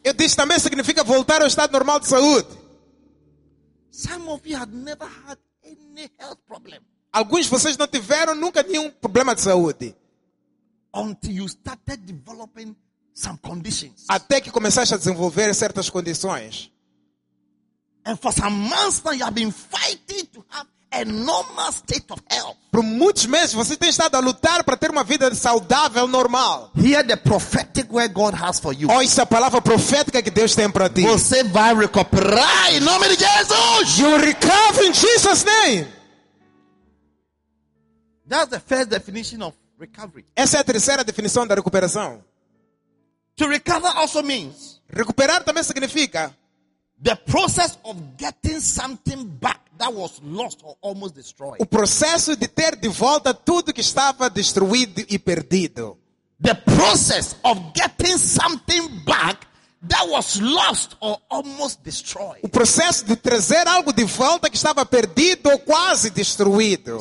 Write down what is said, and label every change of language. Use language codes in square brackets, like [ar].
[pt] Eu disse também significa voltar ao estado normal de saúde. [en] Some of you had never had any health problem. [pt] Alguns de vocês não tiveram nunca nenhum problema de saúde. [en] Until you started developing some conditions. [pt] Até que começaste a desenvolver certas condições. [en] And for some months now you have been fighting to have a normal state of health. [pt] Por muitos meses você tem estado a lutar para ter uma vida saudável, normal. [en] Hear the prophetic word God has for you. [pt] Ouça a palavra profética que Deus tem para ti. Você vai recuperar em nome de Jesus. [en] You recover in Jesus' name. That's the first definition of recovery. [pt] Essa é a terceira definição da recuperação. [en] To recover also means [pt] recuperar também significa [en] the process of getting something back that was lost or almost destroyed. [pt] O processo de ter de volta tudo que estava destruído e perdido. [en] The process of getting something back that was lost or almost destroyed. [pt] O processo de trazer algo de volta que estava perdido ou quase destruído.